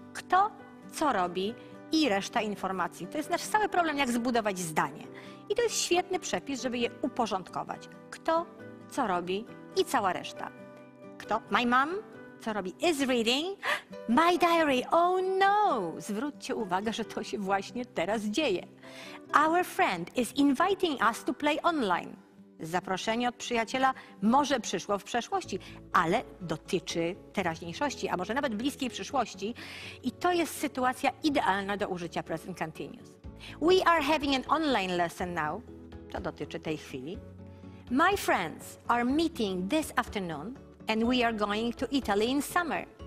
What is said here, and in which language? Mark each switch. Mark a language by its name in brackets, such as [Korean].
[Polish] Kto, co robi i reszta informacji. To jest nasz cały problem, jak zbudować zdanie. I to jest świetny przepis, żeby je uporządkować. Kto, co robi i cała reszta. Kto? [English] My mom, [Polish] co robi? [English] Is reading. My diary. Oh no! [Polish] Zwróćcie uwagę, że to się właśnie teraz dzieje. [English] Our friend is inviting us to play online. [Polish] Zaproszenie od przyjaciela może przyszło w przeszłości, ale dotyczy teraźniejszości, a może nawet bliskiej przyszłości. I to jest sytuacja idealna do użycia present continuous. [English] We are having an online lesson now. [Polish] To dotyczy tej chwili. [English] My friends are meeting this afternoon and we are going to Italy in summer.